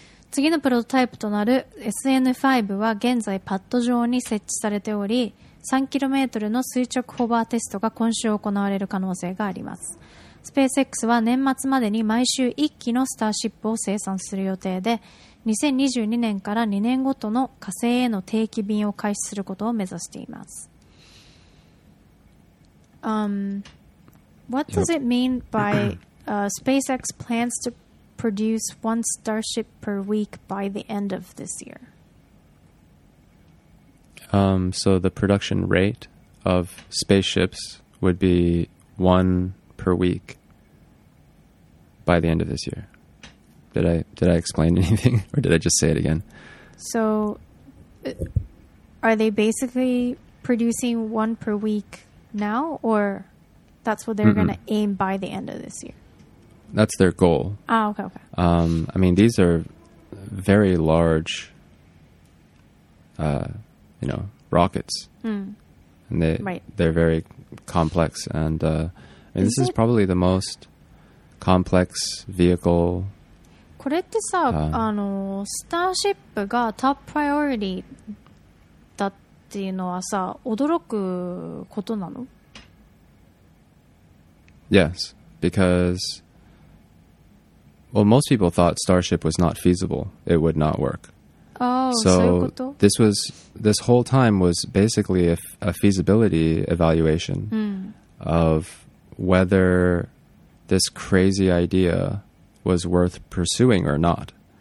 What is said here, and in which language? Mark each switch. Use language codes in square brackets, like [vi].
[ja] 次のプロトタイプとなる SN5 は現在パッド上に設置されており、 3km の垂直ホバーテストが今週行われる可能性があります。スペース X は年末までに毎週1機のスターシップを生産する予定で、2022年から2年ごとの火星への定期便を開始することを目指しています。 [en] What does it mean by SpaceX plans to produce one starship per week by the end of this year? So the production rate of spaceships would be one per week by the end of this year. Did I explain anything, or did I just say it again? So are they basically producing one per week now, or... That's what they're going to aim by the end of this year. That's their goal. Ah, okay, okay. I mean, these are very large, rockets. Mm. And they're very complex. And this is probably the most complex vehicle. [ja] これってさ、スターシップがトッププライオリティだっていうのはさ、驚くことなの？ [en] Yes, because, well, most people thought Starship was not feasible. It would not work. Oh, so this whole time was basically a feasibility evaluation of whether this crazy idea was worth pursuing or not.